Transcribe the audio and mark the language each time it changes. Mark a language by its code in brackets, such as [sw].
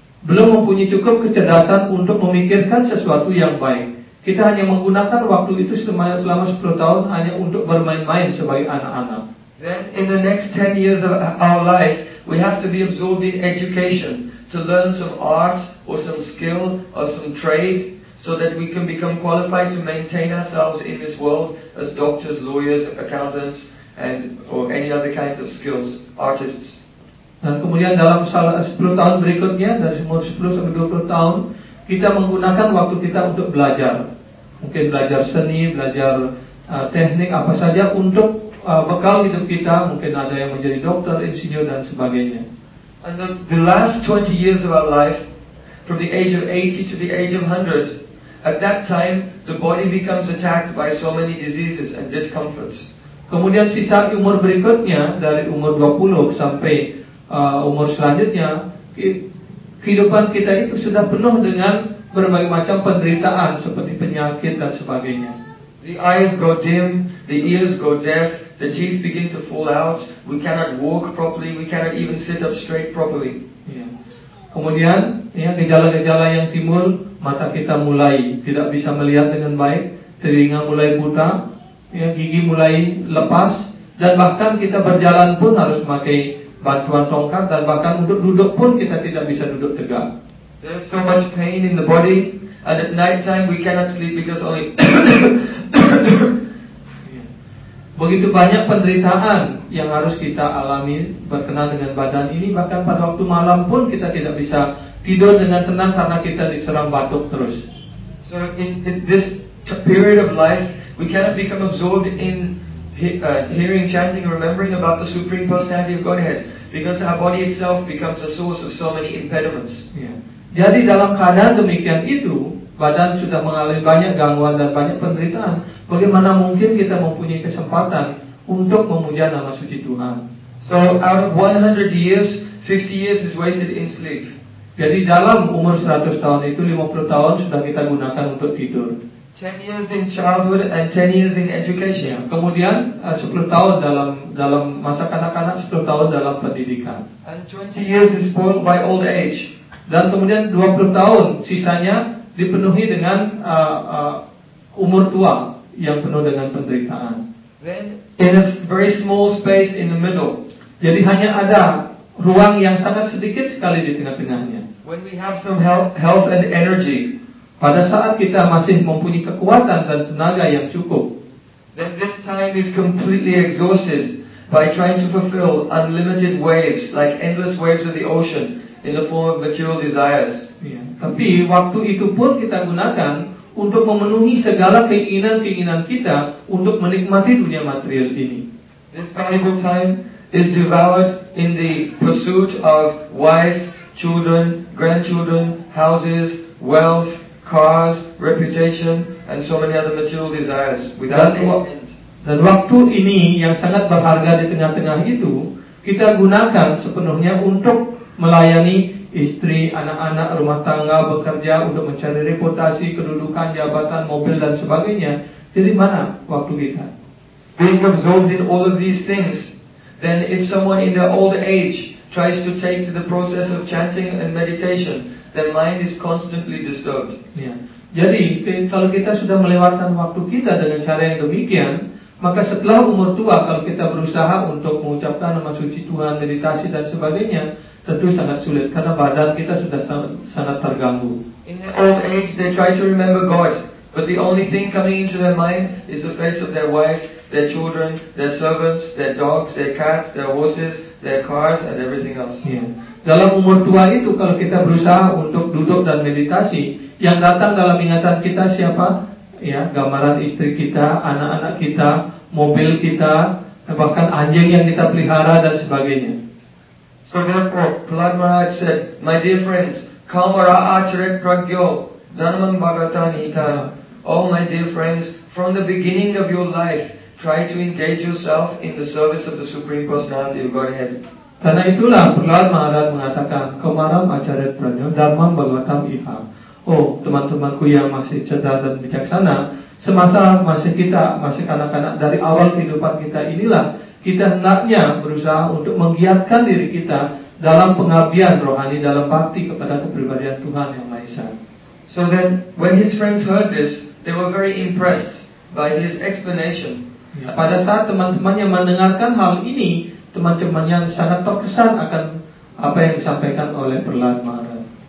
[id] belum mempunyai cukup kecerdasan untuk memikirkan sesuatu yang baik. Kita hanya menggunakan waktu itu selama 10 tahun hanya untuk bermain-main sebagai anak-anak. [en] Then in the next 10 years of our life, we have to be absorbed in education to learn some art or some skill or some trade so that we can become qualified to maintain ourselves in this world as doctors, lawyers, accountants, and or any other kinds of skills, artists. [id] Dan kemudian dalam 10 tahun berikutnya, dari umur 10 sampai 20 tahun, kita menggunakan waktu kita untuk belajar. Mungkin belajar seni, belajar teknik, apa saja untuk bekal hidup kita. Mungkin ada yang menjadi dokter, insinyur, dan sebagainya. [en] And the last 20 years of our life, from the age of 80 to the age of 100, at that time, the body becomes attacked by so many diseases and discomforts. [id] Kemudian sisa umur berikutnya, dari umur 20 sampai umur selanjutnya, kehidupan kita itu sudah penuh dengan berbagai macam penderitaan seperti penyakit dan sebagainya. [en] The eyes grow dim, the ears grow deaf, the teeth begin to fall out, we cannot walk properly, we cannot even sit up straight properly. [id] Kemudian, gejala-gejala yang timbul, mata kita mulai tidak bisa melihat dengan baik, telinga mulai buta, gigi mulai lepas, dan bahkan kita berjalan pun harus memakai bantuan tongkat, dan bahkan untuk duduk pun kita tidak bisa duduk tegak. [en] There's so much pain in the body, and at night time we cannot sleep because only [id] begitu banyak penderitaan yang harus kita alami berkenaan dengan badan ini, bahkan pada waktu malam pun kita tidak bisa tidur dengan tenang karena kita diserang batuk terus. [en] So in this period of life, we cannot become absorbed in hearing, chanting, remembering about the Supreme Personality of Godhead, because our body itself becomes a source of so many impediments. [id] Jadi dalam keadaan demikian itu, badan sudah mengalami banyak gangguan dan banyak penderitaan, bagaimana mungkin kita mempunyai kesempatan untuk memuja nama suci Tuhan? [en] So out of 100 years, 50 years is wasted in sleep. [id] Jadi dalam umur 100 tahun itu, 50 tahun sudah kita gunakan untuk tidur. [en] 10 years in childhood and 10 years in education. Yeah. [id] Kemudian 10 tahun dalam masa kanak-kanak, 10 tahun dalam pendidikan. [en] And 20 years is spoiled by old age. [id] Dan kemudian 20 tahun sisanya dipenuhi dengan umur tua yang penuh dengan penderitaan. [en] Then in a very small space in the middle. [id] Jadi hanya ada ruang yang sangat sedikit sekali di tengah-tengahnya. [en] When we have some health and energy. [id] Pada saat kita masih mempunyai kekuatan dan tenaga yang cukup. [en] Then this time is completely exhausted by trying to fulfill unlimited waves, like endless waves of the ocean, in the form of material desires. [id] Tapi waktu itu pun kita gunakan untuk memenuhi segala keinginan-keinginan kita untuk menikmati dunia material ini. [en] This valuable time is devoured in the pursuit of wife, children, grandchildren, houses, wealth, cars, reputation, and so many other material desires without end. [id] Dan waktu ini yang sangat berharga di tengah-tengah itu, kita gunakan sepenuhnya untuk melayani istri, anak-anak, rumah tangga, bekerja, untuk mencari reputasi, kedudukan, jabatan, mobil, dan sebagainya. Jadi mana waktu kita? [en] Being absorbed in all of these things, then if someone in their old age tries to take to the process of chanting and meditation, their mind is constantly disturbed. [id] Jadi kalau kita sudah melewatkan waktu kita dengan cara yang demikian, maka setelah umur tua, kalau kita berusaha untuk mengucapkan nama suci Tuhan, meditasi, dan sebagainya, tentu sangat sulit karena badan kita sudah sangat terganggu. [en] In their old age, they try to remember God, but the only thing coming into their mind is the face of their wife, their children, their servants, their dogs, their cats, their horses, their cars, and everything else. [id] Dalam umur tua itu, kalau kita berusaha untuk duduk dan meditasi, yang datang dalam ingatan kita siapa? Gambaran istri kita, anak-anak kita, mobil kita, bahkan anjing yang kita pelihara, dan sebagainya. [en] So therefore, Prahlad Maharaj said, "My dear friends, [sa] kamara acharit pragyo dhanaman bhagatan hitaya. [en] Oh my dear friends, from the beginning of your life, try to engage yourself in the service of the Supreme Personality of Godhead." [id] Karena itulah Prahlad Maharaj mengatakan, [sa] "Kamara acharit pragyo dhanaman bhagatan hitaya." [id] Oh, teman-temanku yang masih cerdas dan bijaksana, semasa masih kita, masih kanak-kanak, dari awal kehidupan kita inilah, kita hendaknya berusaha untuk menggiatkan diri kita dalam pengabdian rohani, dalam bakti kepada kepribadian Tuhan yang Maha Esa. [en] So then, when his friends heard this, they were very impressed by his explanation. Yeah. [id] Pada saat teman-temannya mendengarkan hal ini, teman-temannya sangat terkesan akan apa yang disampaikan oleh Prahlad Maharaj.